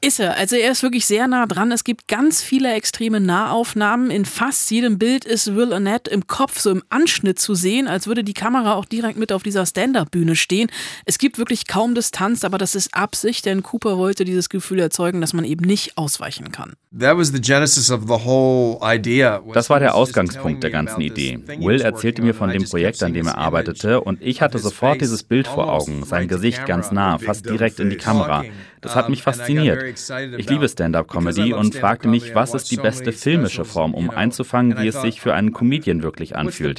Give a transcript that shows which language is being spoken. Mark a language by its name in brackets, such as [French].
[German] Ist er. Also er ist wirklich sehr nah dran. Es gibt ganz viele extreme Nahaufnahmen. In fast jedem Bild ist Will Arnett im Kopf so im Anschnitt zu sehen, als würde die Kamera auch direkt mit auf dieser Stand-Up-Bühne stehen. Es gibt wirklich kaum Distanz, aber das ist Absicht, denn Cooper wollte dieses Gefühl erzeugen, dass man eben nicht ausweichen kann. [English] That was the genesis of the whole idea. [German] Das war der Ausgangspunkt der ganzen Idee. Will erzählte mir von dem Projekt, an dem er arbeitete, und ich hatte sofort dieses Bild vor Augen, sein Gesicht ganz nah, fast direkt in die Kamera. Das hat mich fasziniert. Ich liebe Stand-up-Comedy und fragte mich, was ist die beste filmische Form, um einzufangen, wie es sich für einen Comedian wirklich anfühlt.